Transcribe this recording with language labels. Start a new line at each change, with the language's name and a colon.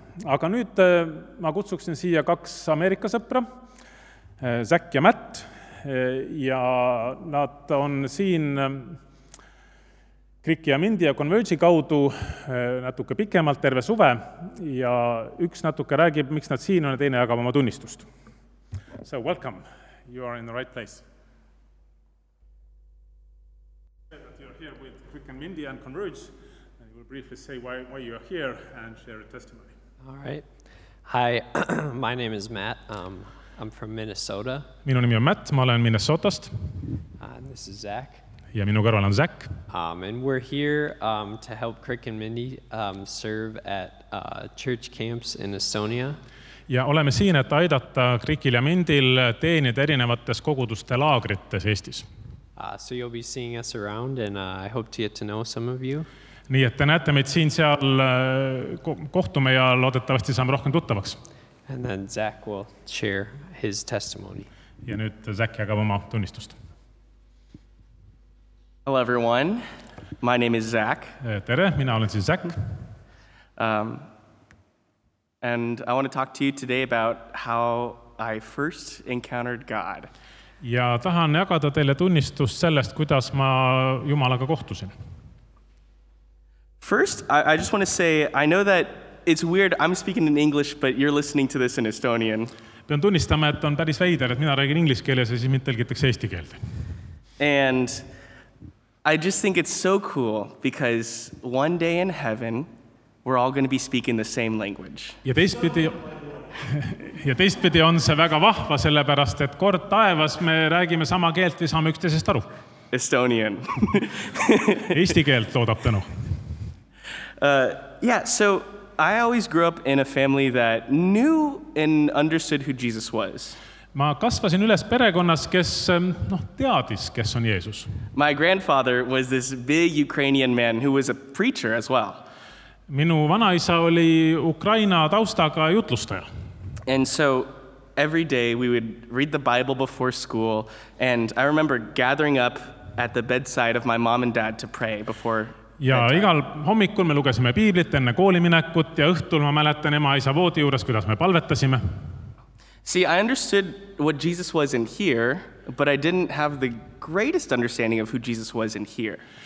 Estonian: Aga nüüd ma kutsuksin siia kaks Ameerika sõpra, Zack ja Matt, ja nad on siin Kriki ja Mindi ja Converge'i kaudu natuke pikemalt terve suve ja üks natuke räägib, miks nad siin on ja teine jagab oma tunnistust.
English: So, welcome. You are in the right place. You're here with Kriki and Mindi and Converge, and you will briefly say why you are here and share a testimony. All right. Hi, my name is Matt. I'm from Minnesota.
Estonian: Minu nimi on Matt, ma olen Minnesotast.
English: And this is Zack.
Estonian: Ja minu kõrval on Zack.
English: And we're here to help Kriki and Mindi serve at church camps in Estonia.
Estonian: Ja oleme siin, et aidata Krikil ja Mindil teenida erinevates koguduste laagrites Eestis.
English: So you'll be seeing us around and I hope to get to know some of you.
Estonian: Nii et te näete meid siin seal kohtume ja loodetavasti saame rohkem tuttavaks.
English: And then Zack will share his testimony.
Estonian: Ja nüüd Zack jagab oma tunnistust.
English: Hello everyone. My name is Zack.
Estonian: Tere, mina olen siis Zack.
English: And I want to talk to you today about how I first encountered God.
Estonian: Ja tahan jagada teile tunnistust sellest, kuidas ma Jumalaga kohtusin.
English: First, I just want to say, I know that it's weird, I'm speaking in English, but you're listening to this in Estonian.
Estonian: Pean tunnistama, et on päris väider, et mina räägin inglise keeles ja siis mind tõlgitakse eesti keelde.
English: And I just think it's so cool because one day in heaven we're all going to be speaking the same language.
Estonian: Ja teistpidi on see väga vahva sellepärast, et kord taevas me räägime sama keelt ja saame üksteisest aru.
English: Estonian.
Estonian: Eesti keelt loodab tänu.
English: So I always grew up in a family that knew and understood who Jesus was.
Estonian: Ma kasvasin üles perekonnas, kes teadis, kes on Jeesus.
English: My grandfather was this big Ukrainian man who was a preacher as well.
Estonian: Minu vanaisa oli Ukraina taustaga jutlustaja.
English: And so every day we would read the Bible before school, and I remember gathering up at the bedside of my mom and dad to pray before.
Estonian: Ja igal hommikul me lugesime piiblit enne kooliminekut ja õhtul ma mäletan ema isa voodi juures, kuidas me palvetasime.
English: See, I understood what Jesus was in here, but I didn't have the greatest understanding of who Jesus was in here.